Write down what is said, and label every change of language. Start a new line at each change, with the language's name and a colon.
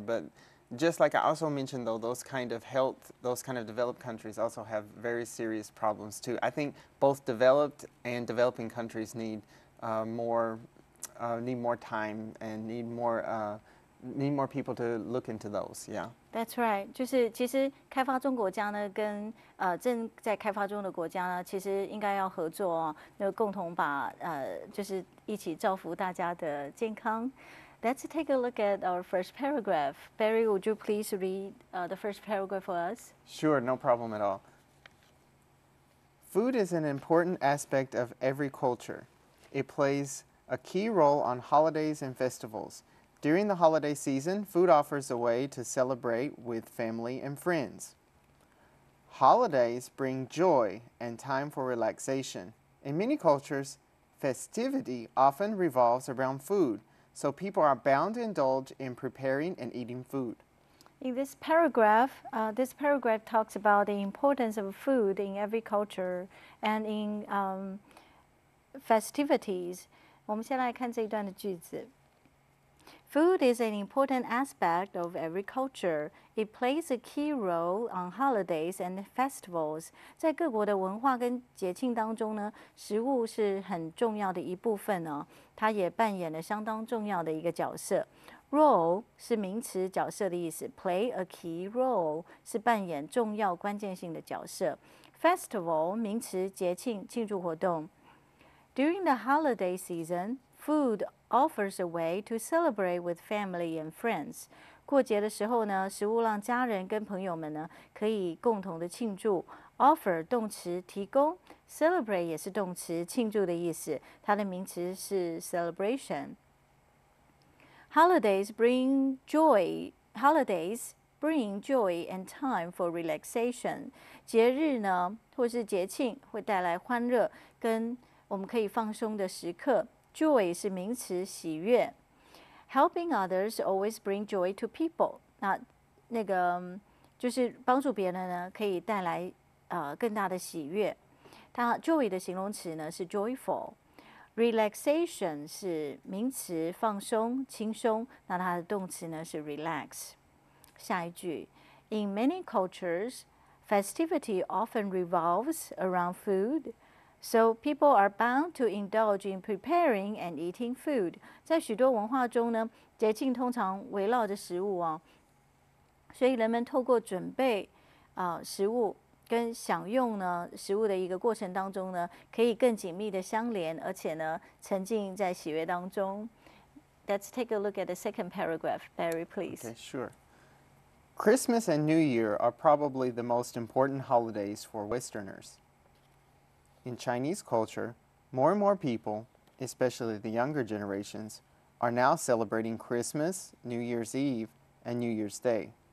English: But just like I also mentioned, though, those kind of developed countries also have very serious problems too. I think both developed and developing countries need more time and need more people to look into those. Yeah. That's right.
Chinese: 就是其实开发中国家呢跟正在开发中的国家呢其实应该要合作哦，那共同把就是一起造福大家的健康。
English: Let's take a look at our first paragraph. Barry, would you please read the first paragraph for us? Sure, no problem at all. Food is an important aspect of every culture. It plays a key role on holidays and festivals. During the holiday season, food offers a way to celebrate with family and friends. Holidays bring joy and time for relaxation. In many cultures, festivity often revolves around food, so people are bound to indulge in preparing and eating food. In this paragraph talks about the importance of food in every culture and in festivities.
Chinese: 我们先来看这一段的句子。
English: Food is an important aspect of every culture. It plays a key role on holidays and festivals.
Chinese: 在各国的文化跟节庆当中呢，食物是很重要的一部分哦，它也扮演了相当重要的一个角色。 Role 是名词，角色的意思。
English: Play a key role
Chinese: 是扮演重要关键性的角色。
English: Festival
Chinese: 名词，节庆，庆祝活动。
English: During the holiday season, food. Offers a way to celebrate with family and friends.
Chinese: 过节的时候呢，食物让家人跟朋友们呢可以共同的庆祝。 Offer 动词提供 ，celebrate 也是动词庆祝的意思，它的名词是 celebration。
English: Holidays bring joy and time for relaxation.
Chinese: 节日呢，或是节庆，会带来欢乐跟我们可以放松的时刻。
English: Joy
Chinese: 是名词，喜悦。
English: Helping others always bring joy to people.
Chinese: 那个就是帮助别人呢，可以带来更大的喜悦。它 joy 的形容词呢是 joyful。Relaxation 是名词，放松、轻松。那它的动词呢是 relax。下一句
English: ，In many cultures, festivity often revolves around food, so people are bound to indulge in preparing and eating food.
Chinese: 在许多文化中呢，节庆通常围绕着食物哦，所以人们透过准备食物。跟享用呢食物的一个过程当中呢，可以更紧密的相连，而且呢沉浸在喜悦当中。
English: Let's take a look at the second paragraph, Barry, please. Okay, sure. Christmas and New Year are probably the most important holidays for Westerners. In Chinese culture, more and more people, especially the younger generations, are now celebrating Christmas, New Year's Eve, and New Year's Day.